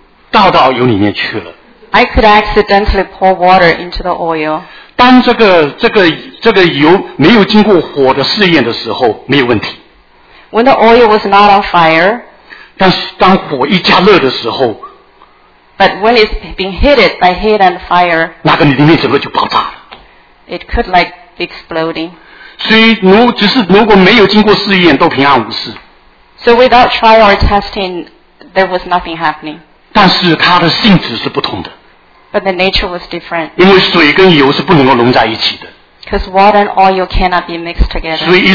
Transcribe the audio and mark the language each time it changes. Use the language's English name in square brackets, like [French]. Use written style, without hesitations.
[Chinese] 但是呢，我不知不觉的把水就不小心就倒到油里面去了。 [English] I could accidentally pour water into the oil. [Chinese] 当这个油没有经过火的试验的时候，没有问题。 [English] When the oil was not on fire. [Chinese] 但是当火一加热的时候， [English] But when it's being heated by heat and fire, [Chinese] 那个里面整个就爆炸了。 [English] It could like exploding. [Chinese] 所以如果没有经过试验，都平安无事。 [English] So without trial or testing, there was nothing happening. [Chinese] 但是它的性质是不同的。 [English] But the nature was different. [Chinese] 因为水跟油是不能够融在一起的。 [English] Because water and oil cannot be mixed together.